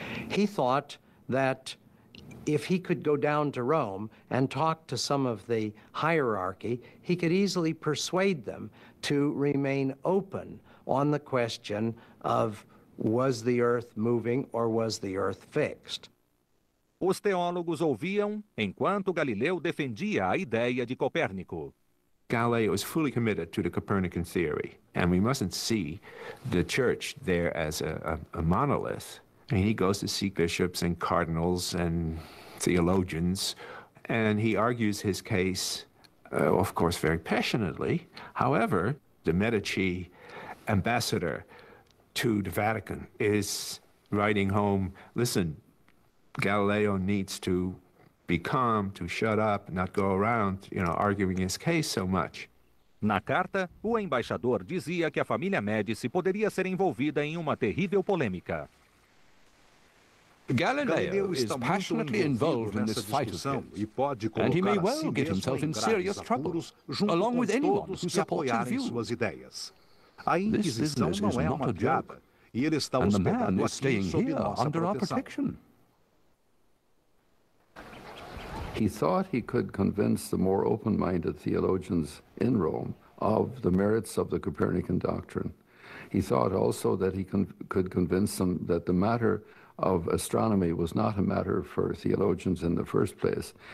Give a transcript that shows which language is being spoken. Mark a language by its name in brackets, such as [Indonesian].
[English] He thought that if he could go down to Rome and talk to some of the hierarchy, he could easily persuade them to remain open on the question of was the earth moving or was the earth fixed. [Portuguese] Os teólogos ouviam enquanto Galileu defendia a ideia de Copérnico. [English] Galileo was fully committed to the Copernican theory, and we mustn't see the church there as a monolith. And he goes to see bishops and cardinals and theologians, and he argues his case, of course, very passionately. However, the Medici ambassador to the Vatican is writing home, listen, Galileo needs to be calm, to shut up, not go around, you know, arguing his case so much. [Portuguese] Na carta, o embaixador dizia que a família Médici poderia ser envolvida em uma terrível polêmica. [English] Galileo is passionately involved in this fight of his, and he may well get himself in serious trouble, along with anyone who supports his views. [Portuguese] A Inquisição não é uma piada, e ele está hospedado aqui sob nossa proteção. [English] He thought he could convince the more open-minded theologians in Rome of the merits of the Copernican doctrine. He thought also that he could convince them that the matter of astronomy was not a matter for theologians in the first place.